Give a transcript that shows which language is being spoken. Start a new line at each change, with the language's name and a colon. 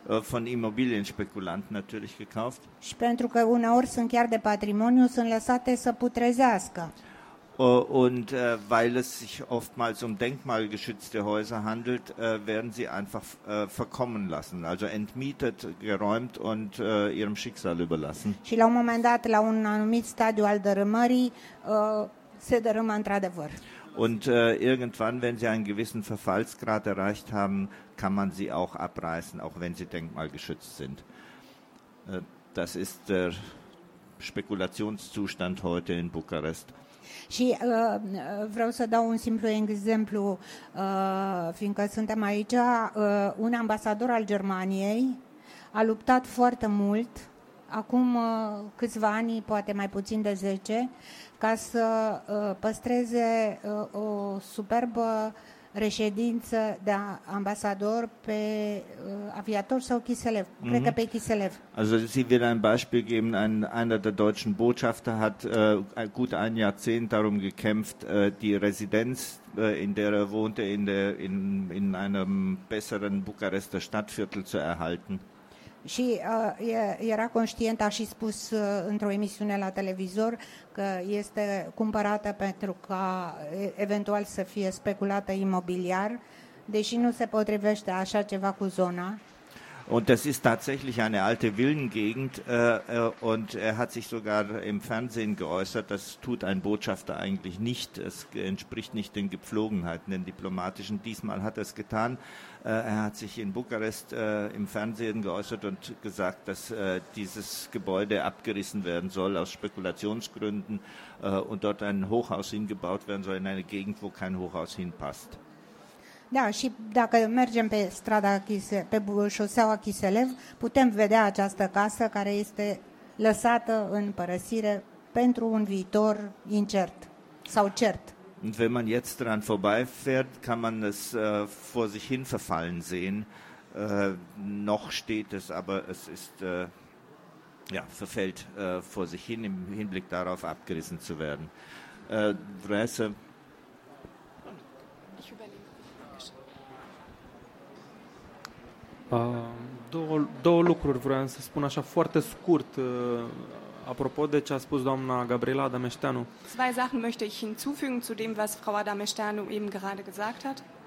German: Von Immobilienspekulanten natürlich gekauft.
Romanian: Și pentru că uneori sunt chiar de patrimoniu, sunt lăsate să putrezească.
German: Und weil es sich oftmals um denkmalgeschützte Häuser handelt, werden sie einfach verkommen lassen, also entmietet, geräumt und ihrem Schicksal überlassen.
Romanian: Și la un moment dat, la un anumit stadiu al dărâmării, se dărâmă într-adevăr.
German: Und irgendwann, wenn sie einen gewissen Verfallsgrad erreicht haben, kann man sie auch abreißen, auch wenn sie denkmalgeschützt sind. Das ist der Spekulationszustand heute in Bucharest.
Romanian: Și vreau să dau un simplu exemplu, fiindcă suntem aici, un ambasador al Germaniei a luptat foarte mult, acum câțiva ani, poate mai puțin de 10, ca să păstreze o superbă reședință de ambasador pe Aviator sau Kiselev, cred că pe Kiselev.
German: Also Sie will ein Beispiel geben, einer der deutschen Botschafter hat gut ein Jahrzehnt darum gekämpft, die Residenz, in der er wohnte, in einem besseren Bukarester Stadtviertel zu erhalten.
Romanian: Și era conștient, a și spus într-o emisiune la televizor, că este cumpărată pentru ca eventual să fie speculată imobiliar, deși nu se potrivește așa ceva cu zona.
German: Und das ist tatsächlich eine alte Villengegend. Und er hat sich sogar im Fernsehen geäußert, das tut ein Botschafter eigentlich nicht. Es entspricht nicht den Gepflogenheiten, den diplomatischen. Diesmal hat er es getan. Er hat sich in Bukarest im Fernsehen geäußert und gesagt, dass dieses Gebäude abgerissen werden soll aus Spekulationsgründen und dort ein Hochhaus hingebaut werden soll in eine Gegend, wo kein Hochhaus hinpasst.
Romanian: Da, și dacă mergem pe strada pe șoseaua Kiselev, putem vedea această casă care este lăsată în părăsire pentru un viitor incert sau cert.
German: Und wenn man jetzt dran vorbeifährt, kann man es vor sich hin verfallen sehen. Noch steht es, aber es ist ja, verfällt vor sich hin im Hinblick darauf, abgerissen zu werden. Vreese. Ich überlege.
Romanian: Două lucruri vreau să spun așa foarte scurt. Apropo de ce a spus doamna Gabriela Adameșteanu.
German: Zwei Sachen möchte ich hinzufügen zu dem, was Frau Adameșteanu eben gerade gesagt hat.